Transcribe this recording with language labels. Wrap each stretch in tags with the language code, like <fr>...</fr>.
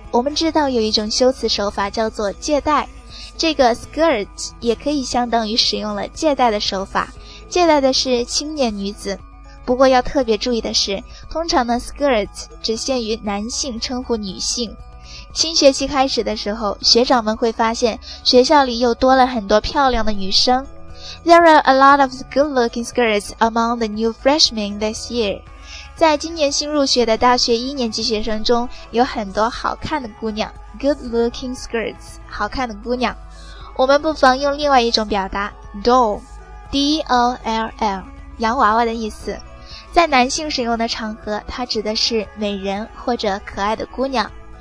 <zh>我们知道有一种修辞手法叫做借带。这个 skirt 也可以相当于使用了借带的手法，借带的是青年女子。不过要特别注意的是，通常呢 skirt 只限于男性称呼女性。新学期开始的时候，学长们会发现学校里又多了很多漂亮的女生。</zh> <en>There are a lot of good-looking skirts among the new freshmen this year.</en> <zh>在今年新入学的大学一年级学生中，有很多好看的姑娘。</zh> <en>Good-looking skirts,</en> <zh>好看的姑娘。我们不妨用另外一种表达 ,doll, D-O-L-L, 洋娃娃的意思。在男性使用的场合，它指的是美人或者可爱的姑娘。</zh>